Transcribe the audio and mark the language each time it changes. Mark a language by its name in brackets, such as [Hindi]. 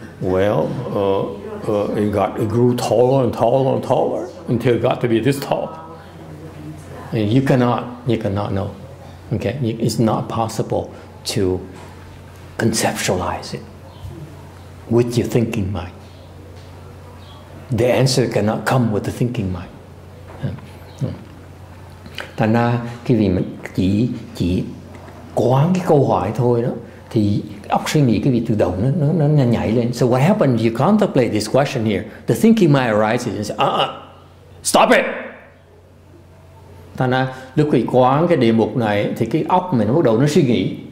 [English] Well, it grew taller and taller and taller until it got to be this tall. You cannot know, okay? It's not possible to conceptualize it with your thinking mind. The answer cannot come with the thinking mind. [Vietnamese] Thành ra khi vì mình chỉ quán cái câu hỏi thôi đó, thì óc suy nghĩ cái vị tự động nó nhảy lên. [English] So what happens? You contemplate this question here. The thinking mind arises and says, stop it. [Vietnamese] Thành ra lúc quý vị quán cái đề mục này thì cái óc mình bắt đầu nó suy nghĩ.